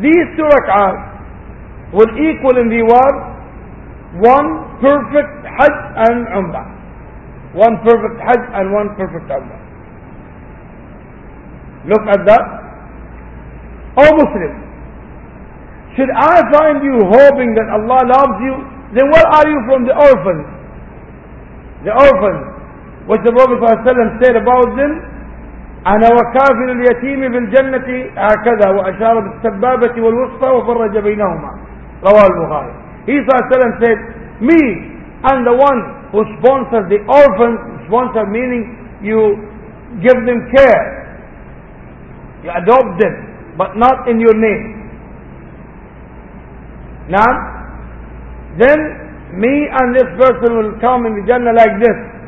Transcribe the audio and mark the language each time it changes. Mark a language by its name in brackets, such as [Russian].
[English] These two rak'ah will equal in the world one perfect Hajj and Umrah. One perfect Hajj and one perfect Umrah. Look at that. O Muslim, should I find you hoping that Allah loves you, then what are you from the orphans? The orphans, which the Prophet ﷺ said about them, [Arabic] أنا وكافر اليتيم في الجنة هكذا وأشار بالسبابة والوسطى وفرج بينهما رواه البخاري. [English] He said, me and the one who sponsors the orphans, sponsor meaning you give them care, you adopt them, but not in your name. Now, then me and this person will come in the Jannah like this.